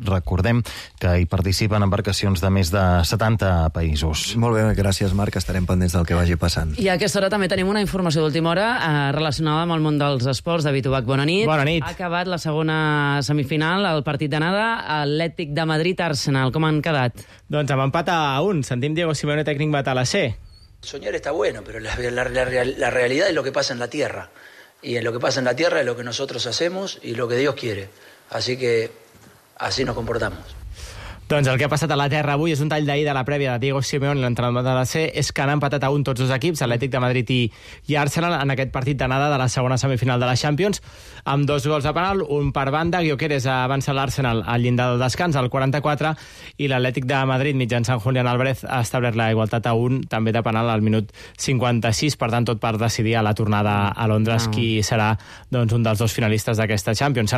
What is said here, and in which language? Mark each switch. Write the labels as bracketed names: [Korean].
[Catalan] Recordem que hi participen embarcacions de més de 70 països. Molt bé, gràcies, Marc. Estarem pendents del que vagi passant. I a aquesta hora també tenim una informació d'última hora relacionada amb el món dels esports. David Ubach, bona nit. Bona nit. Ha acabat la segona semifinal, el partit d'anada, Atlètic de Madrid-Arsenal. Com han quedat? Doncs amb empat a un. Sentim Diego Simeone, tècnic matalasser. [Spanish] Soñar está bueno, pero la realidad es lo que pasa en la tierra. Y en lo que pasa en la tierra es lo que nosotros hacemos y lo que Dios quiere. Así que así nos comportamos. [Catalan] Doncs el que ha passat a la Terra avui és un tall d'ahir de la prèvia de Diego Simeone, l'entrenador de la C, és que han empatat a un tots dos equips, Atlètic de Madrid i Arsenal, en aquest partit d'anada de la segona semifinal de la Champions, amb dos gols de penal, un per banda, Gyökeres avança l'Arsenal al llindar del descans, al 44, i l'Atlètic de Madrid, mitjançant Julián Álvarez, ha establert la igualtat a un, també de penal, al minut 56, per tant, tot per decidir a la tornada a Londres qui serà doncs, un dels dos finalistes d'aquesta Champions.